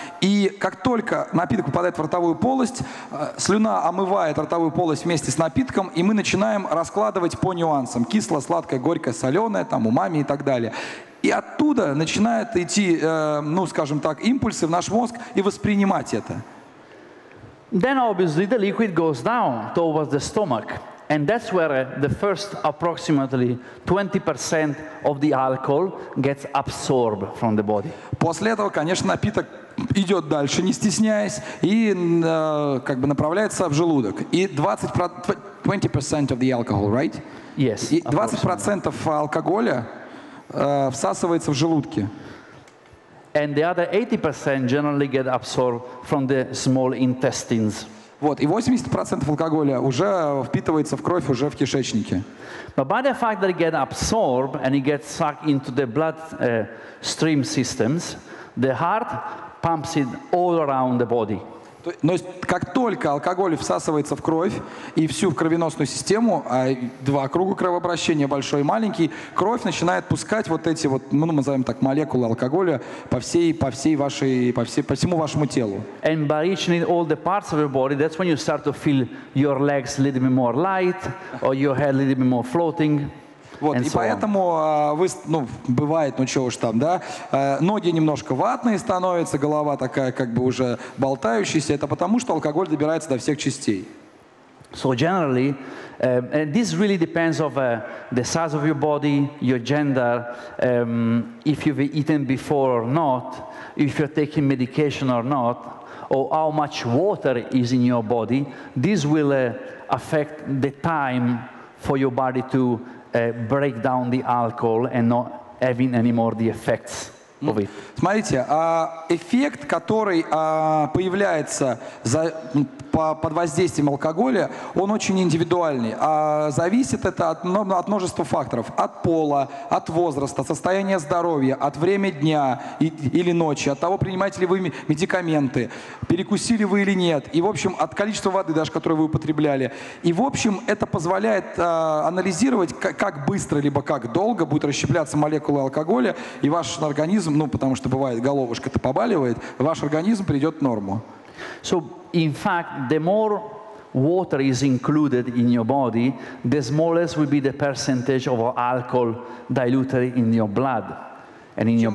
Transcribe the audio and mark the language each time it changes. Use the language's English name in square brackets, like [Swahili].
[Russian] И как только напиток попадает в ротовую полость, слюна омывает ротовую полость вместе с напитком, и мы начинаем раскладывать по нюансам. Кисло, сладкое, горькое, соленое, там, умами и так далее. И оттуда начинают идти, ну, скажем так, импульсы в наш мозг и воспринимать это. [English] Then obviously the liquid goes down towards the stomach. And that's where the first approximately 20% of the alcohol gets absorbed from the body. [Russian] После этого, конечно, напиток идет дальше, не стесняясь, и как бы направляется в желудок. [English] И 20% of the alcohol, right? Yes. [Russian] 20% алкоголя всасывается в желудке. [English] And the other 80% generally get absorbed from the small intestines. [Russian] Вот, и 80% алкоголя уже впитывается в кровь, уже в кишечнике. [English] But by the fact that it gets absorbed and it gets sucked into the blood stream systems, the heart pumps it all around the body. [Russian] Но как только алкоголь всасывается в кровь и всю в кровеносную систему, два круга кровообращения, большой и маленький, кровь начинает пускать вот эти вот, ну, мы называем так, молекулы алкоголя по всему вашему телу. [English] And by reaching all the parts of your body, that's when you start to feel your legs a little bit more light, or your head a little bit more floating. [Russian] Вот, и поэтому бывает, ну чего уж там, да, ноги немножко ватные становятся, голова такая как бы уже болтающаяся. Это потому, что алкоголь добирается до всех частей. [English] So generally, and this really depends of the size of your body, your gender, if you've eaten before or not, if you're taking medication or not, or how much water is in your body. This will affect the time for your body to break down the alcohol and not having any more the effects of it. [Russian] Смотрите, эффект, который появляется под воздействием алкоголя, он очень индивидуальный. Зависит это от множества факторов. От пола, от возраста, состояния здоровья, от времени дня или ночи, от того, принимаете ли вы медикаменты, перекусили вы или нет. И, в общем, от количества воды, даже, которую вы употребляли. И, в общем, это позволяет анализировать, как быстро, либо как долго будет расщепляться молекулы алкоголя, и ваш организм, ну, потому что бывает, головушка-то побаливает, ваш организм придет в норму. [English] So, in fact, the more water is included in your body, the smaller will be the percentage of alcohol diluted in your blood and in your body.